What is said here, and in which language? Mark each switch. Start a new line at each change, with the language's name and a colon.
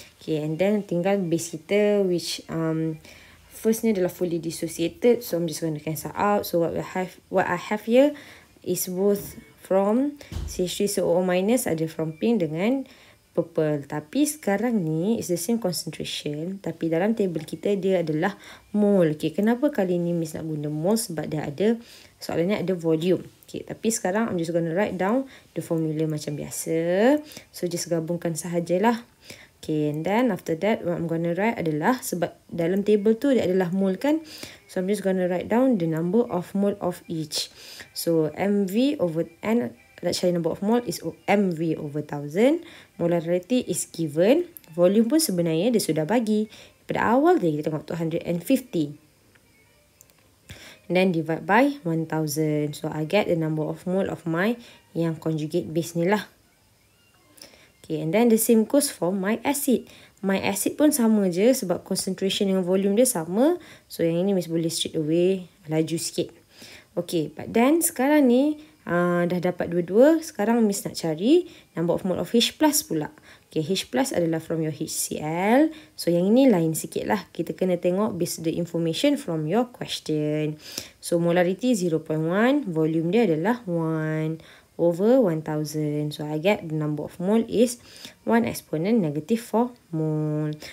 English: Okay, and then
Malay: tinggal
English: base
Malay: kita
English: which firstnya
Malay: adalah
English: fully dissociated. So, I'm just going to cancel out. So, what I have here is both from CH3COO minus
Malay: ada
English: from pink
Malay: dengan
English: purple.
Malay: Tapi sekarang ni
English: is the same concentration.
Malay: Tapi dalam table kita dia adalah mole. Okay, kenapa kali ni Miss nak guna mole? Sebab dia ada, soalan ni ada volume.
English: Okay,
Malay: tapi sekarang
English: I'm just going to write down the formula
Malay: macam biasa.
English: So, just
Malay: gabungkan sahajalah.
English: Okay, and then after that what I'm going to write
Malay: adalah, sebab dalam table tu dia adalah mole kan.
English: So, I'm just going to write down the number of mole of each. So, MV over N, let's say number of mole is MV over 1000. Molarity is given.
Malay: Volume pun sebenarnya dia sudah bagi. Pada awal dia kita tengok 250.
English: Then divide by 1000. So, I get the number of mole of my
Malay: yang
English: conjugate base
Malay: ni lah.
English: Okay, and then the same goes for my acid. My acid
Malay: pun sama je sebab concentration dengan volume dia sama. So, yang ini mesti boleh
English: straight away
Malay: laju sikit.
English: Okay, but then
Malay: sekarang ni dah dapat dua-dua. Sekarang Miss nak cari
English: number of mole of H+
Malay: pula.
English: Okay, H+
Malay: adalah
English: from your HCl.
Malay: So, yang ini lain sikit lah. Kita kena tengok
English: based the information from your question. So, molarity 0.1. Volume
Malay: dia adalah
English: 1 over 1000. So, I get the number of mole is 1 exponent -4 mole.